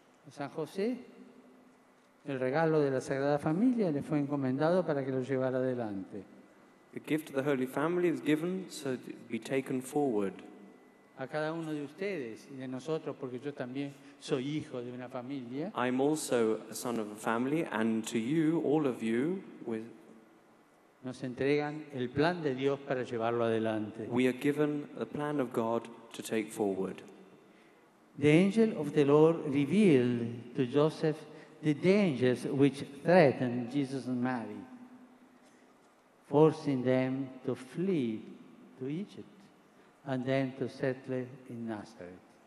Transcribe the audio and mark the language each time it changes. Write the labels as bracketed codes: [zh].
[es] San José, el regalo de la Sagrada Familia le fue encomendado para que lo llevara adelante. [en] The gift of the Holy Family is given so it be taken forward. [es] A cada uno de ustedes y de nosotros, porque yo también soy hijo de una familia. [en] I'm also a son of a family, and to you, all of you, with. [es] Nos entregan el plan de Dios para llevarlo adelante. [en] We are given the plan of God to take forward. The angel of the Lord revealed to Joseph the dangers which threatened Jesus and Mary, forcing them to flee to Egypt and then to settle in Nazareth.